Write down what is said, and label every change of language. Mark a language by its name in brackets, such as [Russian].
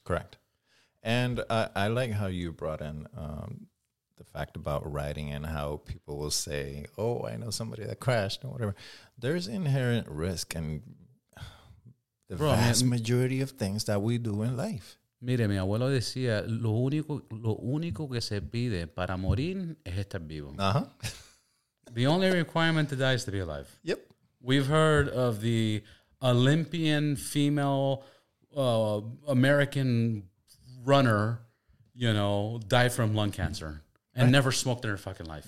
[English] Correct. And I like how you brought in the fact about writing and how people will say, oh, I know somebody that crashed or whatever. There's inherent risk in the vast majority of things that we do in life. [Spanish] Mire, mi abuelo decía, lo único que se pide para morir es estar vivo. Uh-huh. [English] The only requirement to die is to be alive. Yep. We've heard of the Olympian female American runner, you know, die from lung cancer and never smoked in her fucking life.